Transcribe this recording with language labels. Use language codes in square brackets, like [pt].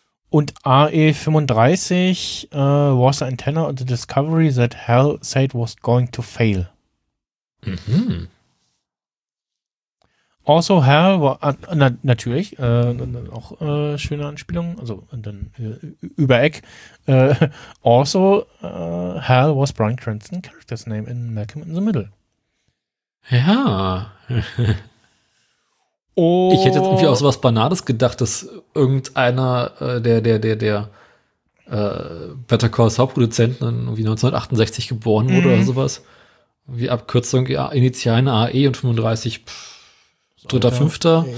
[en] Und AE35 was the antenna of the discovery that hell said was going to fail. Mhm. [de] Also hell war, natürlich, auch schöne Anspielung, also und dann über Eck. [en] Also hell was Bryan Cranston's character's name in Malcolm in the Middle. [de] Ja. Und ich hätte jetzt irgendwie auch so was Banales gedacht, dass irgendeiner der Better Calls Hauptproduzenten irgendwie 1968 geboren wurde oder sowas. Wie Abkürzung, ja, Initialen AE und 35, pff, 3.5.